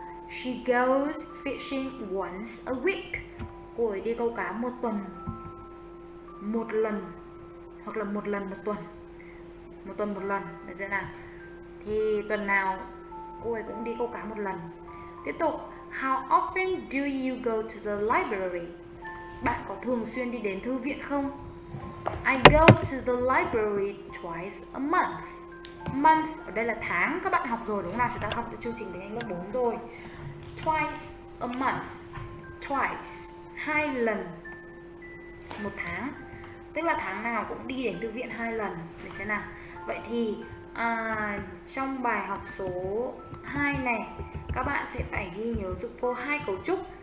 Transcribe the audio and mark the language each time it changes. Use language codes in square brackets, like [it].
[en] She goes fishing once a week. [vi] Cô ấy đi câu cá một tuần một lần, hoặc là một lần một tuần. Một tuần một lần, là thế nào? Thì tuần nào cô ấy cũng đi câu cá một lần. Tiếp tục, [en] how often do you go to the library? [vi] Bạn có thường xuyên đi đến thư viện không? [en] I go to the library twice a month. [vi] Month ở đây là tháng, các bạn học rồi đúng không nào? Chúng ta học được chương trình tiếng Anh lớp 4 rồi. [en] Twice a month. Twice, [vi] hai lần một tháng. Tức là tháng nào cũng đi đến thư viện hai lần, được chưa nào? Vậy thì trong bài học số 2 này, các bạn sẽ phải ghi nhớ giúp cô hai cấu trúc.